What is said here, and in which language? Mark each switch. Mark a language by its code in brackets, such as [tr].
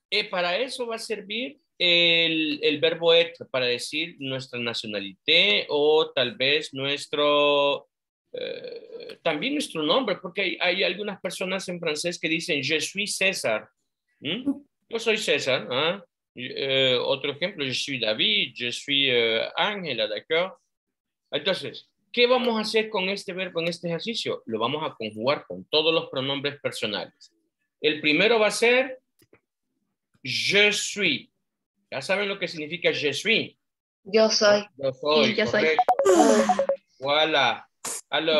[es] Para eso va a servir el verbo être, para decir nuestra nacionalité o tal vez nuestro... también nuestro nombre, porque hay algunas personas en francés que dicen [fr] je suis César. [es] Yo soy César. Otro ejemplo, [fr] je suis David, je suis Ángela, d'accord. [es] Entonces, ¿qué vamos a hacer con este verbo en este ejercicio? Lo vamos a conjugar con todos los pronombres personales. El primero va a ser [fr] je suis. [es] Ya saben lo que significa [fr] je suis. [es] Yo soy. Yo soy. Sí, yo soy. Voilà. Hello.